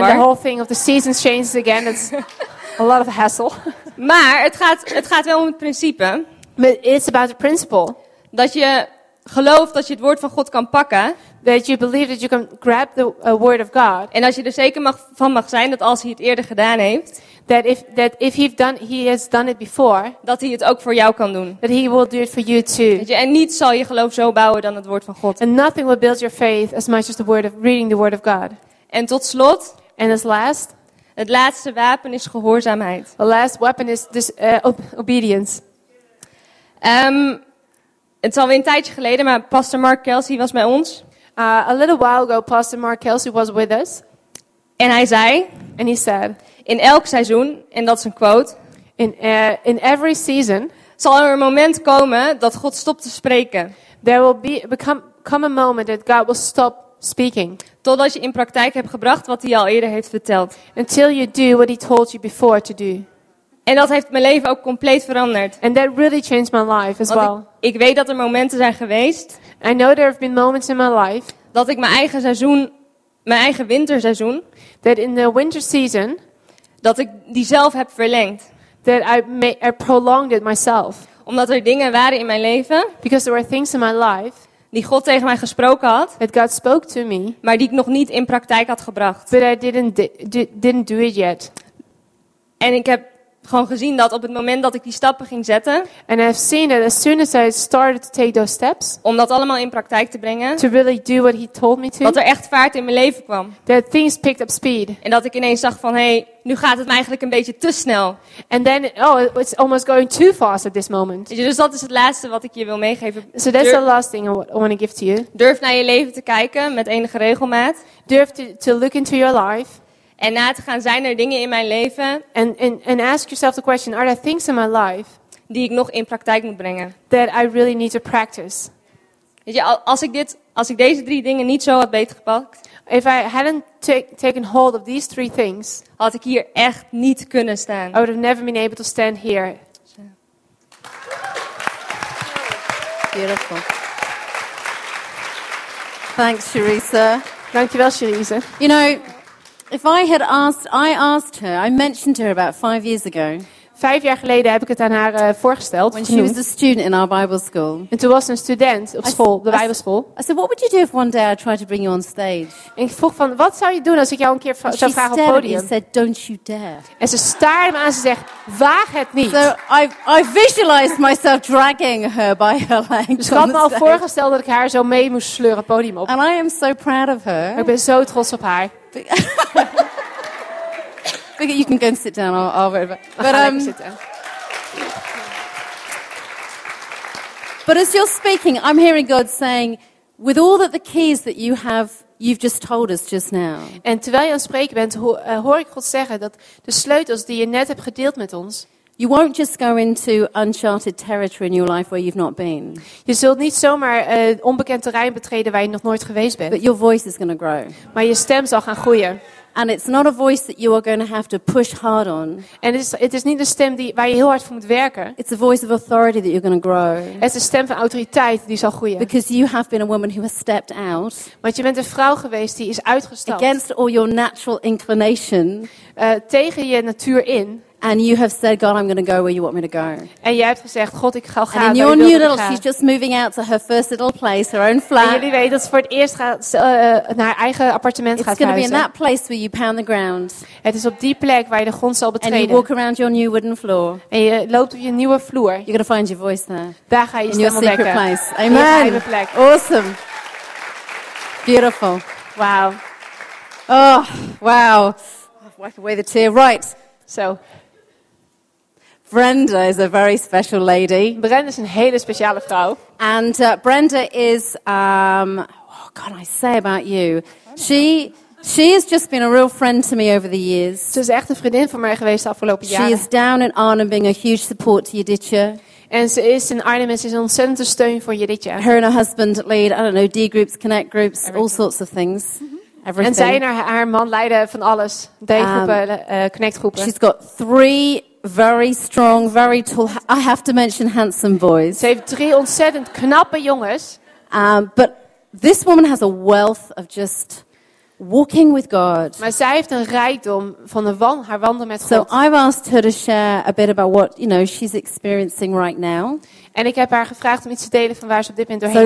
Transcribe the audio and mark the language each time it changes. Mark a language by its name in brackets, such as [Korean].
[English] And then the whole thing of the seasons changes again, it's a lot of hassle. [Dutch] Maar het gaat wel om het principe. [English] But it's about the principle. [Dutch] Dat je gelooft dat je het woord van God kan pakken. [English] That you believe that you can grab the word of God. [Dutch] En als je er zeker van mag zijn dat als hij het eerder gedaan heeft. [English] That if he has done it before. [Dutch] Dat hij het ook voor jou kan doen. [English] That he will do it for you too. [Dutch] Je, en niets zal je geloof zo bouwen dan het woord van God. [English] And nothing will build your faith as much as the word of reading the word of God. [Dutch] En tot slot. [English] And as last. [Dutch] Het laatste wapen is gehoorzaamheid. [English] The last weapon is this, obedience. [Dutch] Het is alweer een tijdje geleden, maar Pastor Mark Kelsey was bij ons. [English] A little while ago, Pastor Mark Kelsey was with us. [Dutch] En hij zei, [English] and he said, [Dutch] in elk seizoen, en dat is een quote, [English] in every season, [Dutch] zal er een moment komen dat God stopt te spreken. [English] There will become a moment that God will stop speaking. [Dutch] Totdat je in praktijk hebt gebracht wat hij al eerder heeft verteld. [English] Until you do what he told you before to do. [Dutch] En dat heeft mijn leven ook compleet veranderd. [English] And that really changed my life as well. [Dutch] Ik weet dat er momenten zijn geweest. [English] I know there have been moments in my life. [Dutch] Dat ik mijn eigen winterseizoen. [English] That in the winter season. [Dutch] Dat ik die zelf heb verlengd. [English] That I prolonged it myself. [Dutch] Omdat er dingen waren in mijn leven. [English] Because there were things in my life. [Dutch] Die God tegen mij gesproken had. [English] That God spoke to me. [Dutch] Maar die ik nog niet in praktijk had gebracht. [English] But I didn't do it yet. [Dutch] En ik heb gewoon gezien dat op het moment dat ik die stappen ging zetten. [English] And I've seen that as soon as I started to take those steps. [Dutch] Om dat allemaal in praktijk te brengen. [English] To really do what he told me to. [Dutch] Dat er echt vaart in mijn leven kwam. [English] That things picked up speed. [Dutch] En dat ik ineens zag van, hey, nu gaat het me eigenlijk een beetje te snel. [English] And then, oh, it's almost going too fast at this moment. [Dutch] Dus dat is het laatste wat ik je wil meegeven. [English] So that's the last thing I want to give to you. [Dutch] Durf naar je leven te kijken met enige regelmaat. [English] Durf to look into your life. [Dutch] En na te gaan, zijn er dingen in mijn leven? [English] And ask yourself the question, are there things in my life [Dutch] die ik nog in praktijk moet brengen? [English] That I really need to practice. [Dutch] Weet je, als ik deze drie dingen niet zo had beter gepakt, [English] if I hadn't taken hold of these three things, [Dutch] had ik hier echt niet kunnen staan. [English] I would have never been able to stand here. Beautiful. Thanks, Charissa. [Dutch] Dankjewel, Charissa. [English] You know, if I had asked, I asked her, I mentioned her about 5 years ago. [Dutch] 5 jaar geleden heb ik het aan haar voorgesteld. [English] When she was a student in our Bible school. [Dutch] En toen was ze een student op school, de Bijbelschool. [English] I said, what would you do if one day I tried to bring you on stage? [Dutch] En ik vroeg van, wat zou je doen als ik jou een keer zou vragen op het podium? [English] And she said, don't you dare. [Dutch] En ze staarde me aan, ze zegt, waag het niet. [English] So I visualized myself dragging her by her legs. [Dutch] Dus ik had me al voorgesteld dat ik haar zo mee moest sleuren op het podium op. [English] And I am so proud of her. [Dutch] Ik ben zo trots op haar. [English] You can go and sit down. I'll worry about it. But sit down. But as you're speaking, I'm hearing God saying, with all that the keys that you have, you've just told us just now. [Dutch] En terwijl je aan het spreken bent, hoor ik God zeggen dat de sleutels die je net hebt gedeeld met ons. [English] You won't just go into uncharted territory in your life where you've not been. [Dutch] Je zult niet zomaar onbekend terrein betreden waar je nog nooit geweest bent. [English] But your voice is going to grow. [Dutch] Maar je stem zal gaan groeien. [English] And it's not a voice that you are going to have to push hard on. [Dutch] En het is niet een stem die waar je heel hard voor moet werken. [English] It's a voice of authority that you're going to grow. [Dutch] Het is een stem van autoriteit die zal groeien. [English] Because you have been a woman who has stepped out. [Dutch] Want je bent een vrouw geweest die is uitgestapt. [English] Against all your natural inclination. [Dutch] Tegen je natuur in. [English] And you have said, God, I'm going to go where you want me to go. [Dutch] En jij hebt gezegd, God, ik ga gaan. [English] And in your new little, she's just moving out to her first little place, her own flat. [Dutch] En jullie weten dat ze voor het eerst naar haar eigen appartement gaat verhuizen. [English] It's going to be in that place where you pound the ground. [Dutch] Het is op die plek waar je de grond zal betreden. [English] And you walk around your new wooden floor. [Dutch] En je loopt op je nieuwe vloer. [English] You're going to find your voice there. [Dutch] Daar ga je [English] in your secret [Dutch] ontdekken. [English] Place. Amen. Awesome. Beautiful. Wow. Oh, wow. Wipe away the tear. Right. So. Brenda is a very special lady. [Dutch] Brenda is een hele speciale vrouw. [English] And Brenda is, what can I say about you? She has just been a real friend to me over the years. [Dutch] Ze is echt een vriendin van mij geweest de afgelopen jaren. [English] She is down in Arnhem being a huge support to Jiditje. [Dutch] En ze is in Arnhem en ze is een ontzettend steun voor Jiditje. [English] Her and her husband lead, I don't know, D-groups, connect groups, everything. All sorts of things. Everything. [Dutch] En zij en haar man leiden van alles. D-groepen, connect groepen. [English] She's got three very strong, very tall. I have to mention handsome boys. [Dutch] Ze heeft drie ontzettend knappe jongens. [English] But this woman has a wealth of just walking with God. [Dutch] Maar zij heeft een rijkdom van haar wandel met God. [English] So I've asked her to share a bit about what you know she's experiencing right now. [Dutch] En ik heb haar gevraagd om iets te delen van waar ze op dit moment doorheen